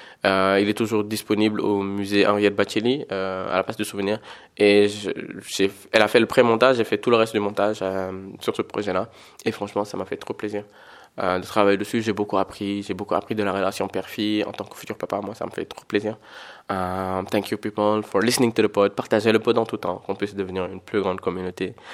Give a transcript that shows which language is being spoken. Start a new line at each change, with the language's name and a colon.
French: Il est toujours disponible au musée Henriette Bacelli, à la place du souvenir. Et elle a fait le pré-montage, j'ai fait tout le reste du montage sur ce projet-là. Et franchement, ça m'a fait trop plaisir de travailler dessus. J'ai beaucoup appris de la relation père-fille en tant que futur papa. Moi, ça me fait trop plaisir.
English: Thank you people for listening to the pod.
French: Partagez le pod en tout temps, qu'on puisse devenir une plus grande communauté.